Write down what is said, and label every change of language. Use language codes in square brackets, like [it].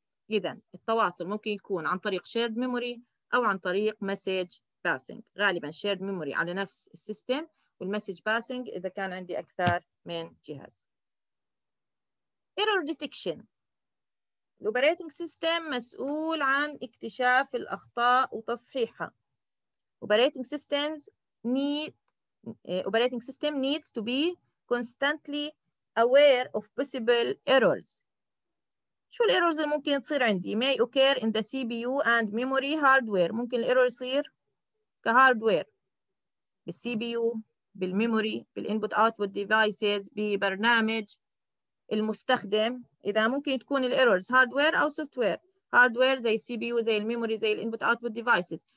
[ar] إذن التواصل ممكن يكون عن طريق shared memory أو عن طريق message passing. غالباً shared memory على نفس السيستم والmessage passing إذا كان عندي أكثر من جهاز. [en] Error detection. [ar] الـ operating system مسؤول عن اكتشاف الأخطاء وتصحيحها. [en] Operating systems need operating system needs to be constantly aware of possible errors. [ar] شو الايرورز اللي ممكن تصير عندي؟ [en] may occur in the CPU and memory hardware. [ar] ممكن الايرور يصير كهاردوير بالCPU بالميموري بالانبوت اوتبوت ديفايسز ببرنامج المستخدم. اذا ممكن تكون الايرورز هاردوير او سوفتوير. هاردوير زي CPU زي الميموري زي الانبوت اوتبوت ديفايسز.